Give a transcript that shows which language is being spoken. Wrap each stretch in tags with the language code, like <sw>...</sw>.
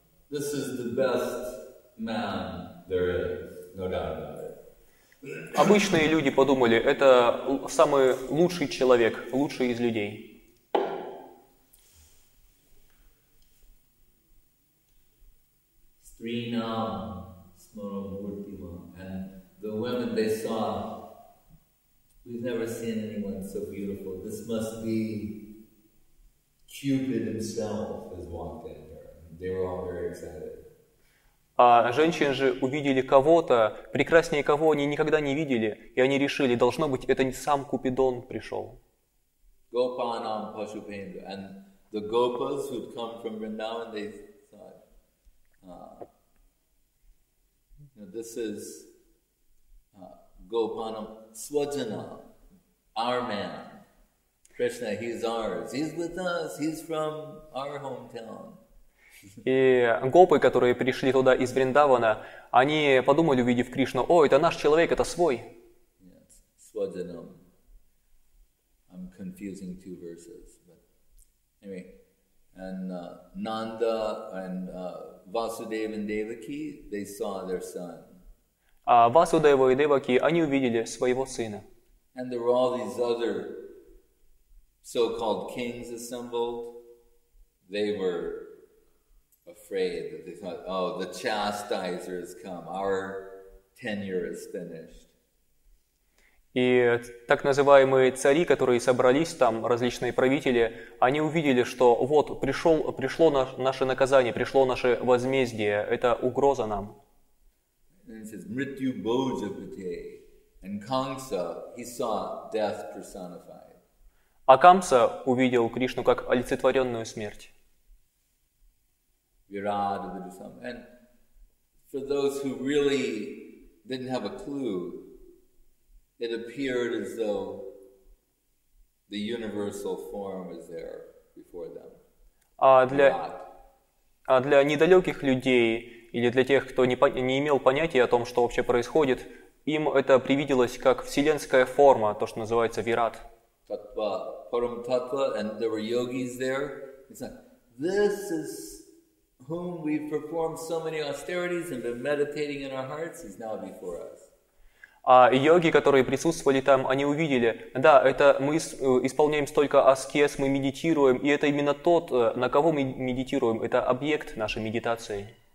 <en>This is the best man there is, no doubt about it.</en> <ru>Обычные люди подумали, это самый лучший человек, лучший из людей.</ru> <sa>Srinam Smaramurtima,</sa> <en>and the women they saw, we've never seen anyone so beautiful. This must be Cupid himself is walking. They were all very excited.</en> <ru>А женщины же увидели кого-то, прекраснее кого они никогда не видели, и они решили, должно быть, это не сам Купидон пришел.</ru> <sa>Gopanam Pashupendra.</sa> <en>And the gopas who'd come from Vrindavan, they thought, this is</en> <sa>Gopanam Swajana,</sa> <en>our man. Krishna, he's ours. He's with us. He's from our hometown.</en> <ru>И гопы, которые пришли туда из Вриндавана, они подумали, увидев Кришну, о, это наш человек, это свой.</ru> <en>Yes. Swajanam. I'm confusing two verses. But anyway, And Nanda and Vasudeva and Devaki, they saw their son.</en> <ru>А Васудева и Деваки, они увидели своего сына.</ru> <en>And there were all these other so-called kings assembled. They were afraid that they thought, oh, the chastiser has come. Our tenure is finished.</en> <ru>И так называемые цари, которые собрались там, различные правители, они увидели, что вот пришло наше наказание, пришло наше возмездие, это угроза нам.</ru> <en>And he says,</en> <sa>Mrityu Bhojapate.</sa> <en>And Kamsa, he saw death personified.</en> <ru>А Камса увидел Кришну как олицетворенную смерть.</ru> <en>Virada, and for those who really didn't have a clue, it appeared as though the universal form was there before them.</en> <ru>А для недалеких людей или для тех, кто не имел понятия о том, что вообще происходит, им это привиделось как вселенская форма, то, что называется вират.</ru> <sa>Татва, парам татва,</sa> <en>and there were yogis there. It's like, this is whom we've performed so many austerities and been meditating in our hearts, is now before us.</en> <ru>А йоги, которые присутствовали там, они увидели, да, это мы исполняем столько аскез, мы медитируем, и это именно тот, на кого мы медитируем, это объект нашей медитации.</ru>